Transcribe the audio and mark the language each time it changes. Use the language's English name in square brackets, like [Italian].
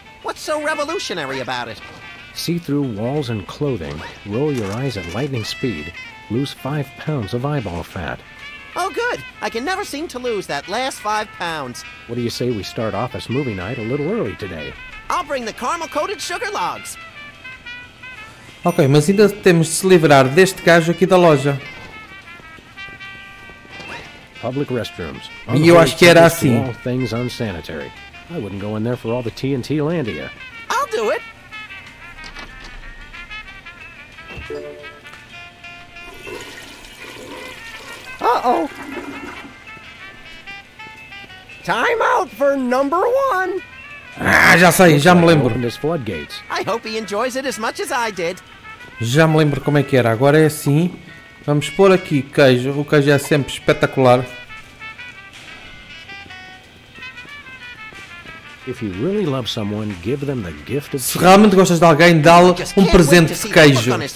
[English] What's so revolutionary about it? See through walls and clothing, roll your eyes at lightning speed, lose 5 pounds of eyeball fat. Oh, good. I can never seem to lose that last 5 pounds. What do you say we start office movie night a little early today? I'll bring the caramel-coated sugar logs. [Portuguese] Ok, mas ainda temos de se livrar deste gajo aqui da loja. [English] Public restrooms. [Portuguese] E eu acho que era assim. [English] All things unsanitary. I wouldn't go in there for all the TNT Landia. I'll do it. Uh-oh. Time out for number one. [Portuguese] Ah, já sei, já me lembro. [English] I hope he enjoys it as much as I did. [Portuguese] Já me lembro como é que era. Agora é assim. Vamos pôr aqui queijo. O queijo é sempre espetacular. [English] If you really love someone, give them the gift of... [Portuguese] Se realmente gostas de alguém, dá-lhe um presente de queijo.